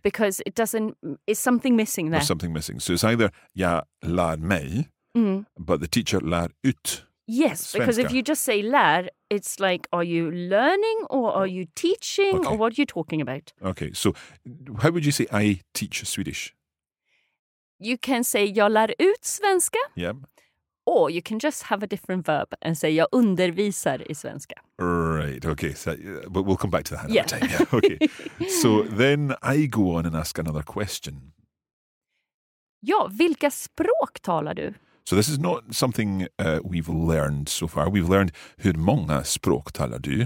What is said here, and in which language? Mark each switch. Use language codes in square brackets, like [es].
[en] Because it doesn't, it's something missing there. There's something missing. So it's either [sv] jag lär mig, [en] mm-hmm. but the teacher lär ut. Yes, [sv] svenska. [en] Because if you just say lär, it's like, are you learning or are you teaching okay. or what are you talking about? Okay, so how would you say I teach Swedish? You can say [sv] jag lär ut svenska. [en] Yeah. Or you can just have a different verb and say [sv] jag undervisar I svenska. [en] Right, okay. So, but we'll come back to that another yeah. time. Yeah. Okay. So then I go on and ask another question. [sv] Ja, vilka språk talar du? [en] So this is not something we've learned so far. We've learned [sv] hur många språk talar du?